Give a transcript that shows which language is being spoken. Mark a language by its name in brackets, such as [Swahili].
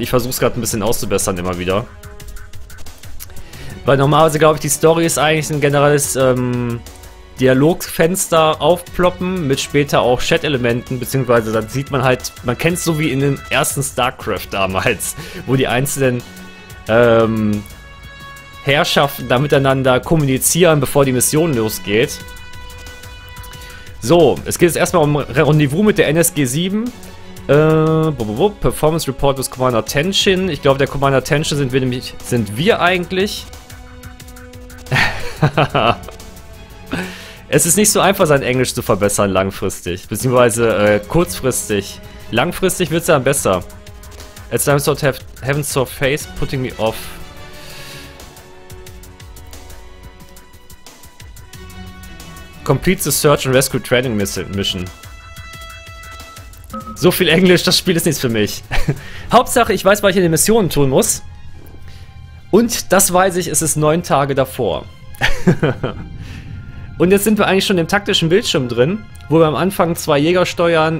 [German] Ich versuche es gerade ein bisschen auszubessern immer wieder. Weil normalerweise glaube ich, die Story ist eigentlich ein generelles Dialogfenster aufploppen mit später auch Chat-Elementen, beziehungsweise dann sieht man halt, man kennt es so wie in dem ersten StarCraft damals, wo die einzelnen Herrschaften da miteinander kommunizieren, bevor die Mission losgeht. So, es geht jetzt erstmal um Rendezvous mit der NSG 7. [English] Performance Report with Commander Tenshin. [German] Ich glaube, der Commander Tenshin sind wir eigentlich. Es ist nicht so einfach, sein Englisch zu verbessern langfristig, beziehungsweise kurzfristig. Langfristig wird es dann besser. [English] At some sort of heaven's surface putting me off. Complete the search and rescue training mission. [German] So viel Englisch, das Spiel ist nichts für mich. Hauptsache, ich weiß, was ich in den Missionen tun muss. Und das weiß ich, es ist 9 Tage davor. Und jetzt sind wir eigentlich schon im taktischen Bildschirm drin, wo wir am Anfang 2 Jäger steuern.